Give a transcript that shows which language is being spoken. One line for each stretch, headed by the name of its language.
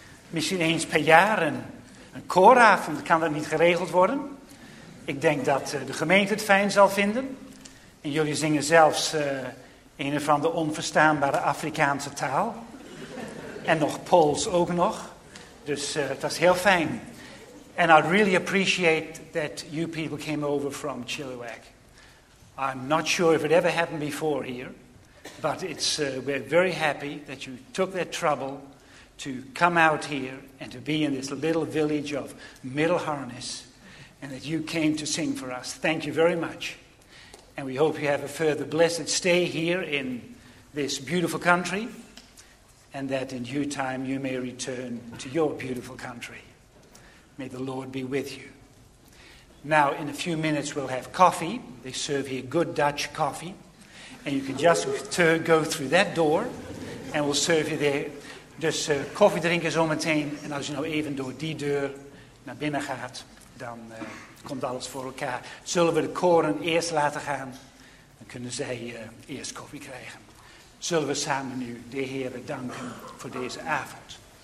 Dutch: Misschien eens per jaar een kooravond, kan dat niet geregeld worden. Ik denk dat de gemeente het fijn zal vinden. En jullie zingen zelfs een of andere onverstaanbare Afrikaanse taal. En nog Pools ook nog. Dus het was heel fijn.
English: And I'd really appreciate that you people came over from Chilliwack. I'm not sure if it ever happened before here. But we're very happy that you took that trouble to come out here and to be in this little village of Middelharnis and that you came to sing for us. Thank you very much. And we hope you have a further blessed stay here in this beautiful country and that in due time you may return to your beautiful country. May the Lord be with you. Now, in a few minutes, we'll have coffee. They serve here good Dutch coffee. And you can just go through that door and we'll serve you there.
Dutch: Dus koffie drinken zo meteen. En als je nou even door die deur naar binnen gaat, dan komt alles voor elkaar. Zullen we de koren eerst laten gaan? Dan kunnen zij eerst koffie krijgen. Zullen we samen nu de Heere danken voor deze avond.